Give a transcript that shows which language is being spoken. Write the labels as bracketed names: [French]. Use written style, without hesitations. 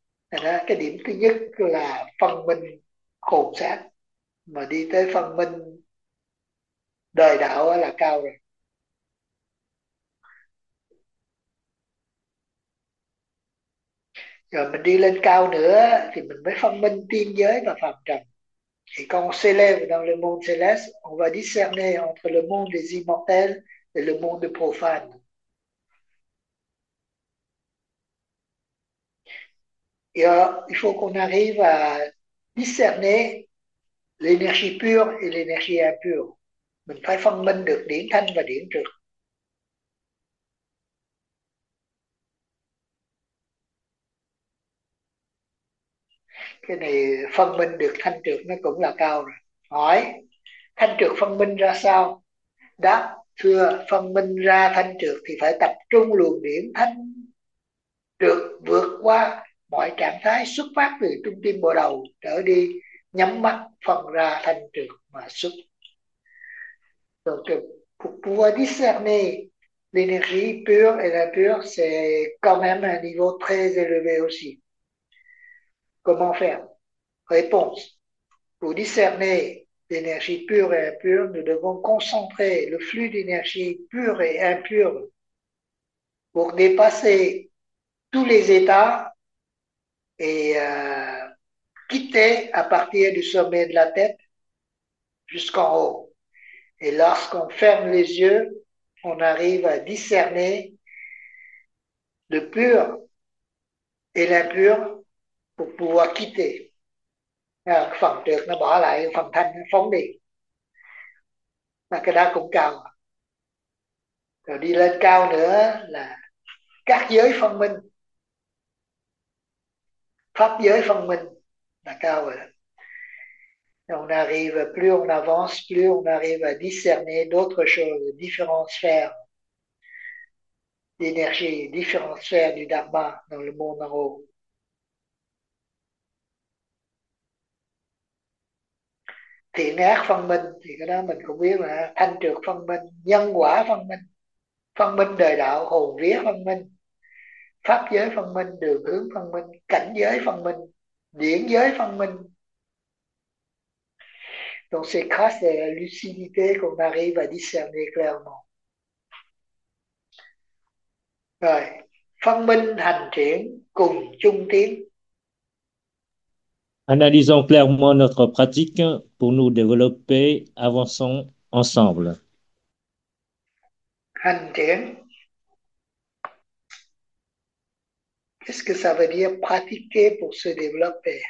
[Vietnamese] Đó, cái điểm thứ nhất là phân minh hồn xác, mà đi tới phân minh đời đạo là cao rồi. Rồi mình đi lên cao nữa thì mình mới phân minh tiên giới và phàm trần. Thì con [French] s'élève dans le monde céleste, on va discerner entre le monde des immortels et le monde des profanes. Alors, il faut qu'on arrive à discerner l'énergie pure et l'énergie impure. [Vietnamese] Mình phải phân minh được điển thanh và điển trược. Cái này phân minh được thanh trược nó cũng là cao rồi. Hỏi thanh trược phân minh ra sao? Đáp, thưa, phân minh ra thanh trược thì phải tập trung luồng điển thanh trược vượt qua mọi trạng thái, xuất phát từ trung tâm bộ đầu trở đi, nhắm mắt phân ra thanh trược mà xuất. [French] Donc, pour pouvoir discerner l'énergie pure et la pure, c'est quand même un niveau très élevé aussi. Comment faire? Réponse. Pour discerner l'énergie pure et impure, nous devons concentrer le flux d'énergie pure et impure pour dépasser tous les états et quitter à partir du sommet de la tête jusqu'en haut. Et lorsqu'on ferme les yeux, on arrive à discerner le pur et l'impur pour pouvoir quitter. [Vietnamese] À, phần trước nó bỏ lại phần thanh nó phóng đi, và cái đó cũng cao rồi. Đi lên cao nữa là các giới phân minh, pháp giới phân minh là cao rồi. [French] On arrive, plus on avance, plus on arrive à discerner d'autres choses, différentes sphères d'énergie, différentes sphères du Dharma dans le monde en haut. [Vietnamese] Thiện ác phân minh thì cái đó mình cũng biết là thanh trược phân minh, nhân quả phân minh đời đạo, hồn vía phân minh, pháp giới phân minh, đường hướng phân minh, cảnh giới phân minh, điển giới phân minh. [French] Donc c'est grâce à la lucidité qu'on arrive à discerner clairement. [Vietnamese] Rồi, phân minh hành triển cùng chung tiến. [French] Analysons clairement notre pratique pour nous développer, avançons ensemble. [Vietnamese] Hành triển. [French] Qu'est-ce que ça veut dire pratiquer pour se développer?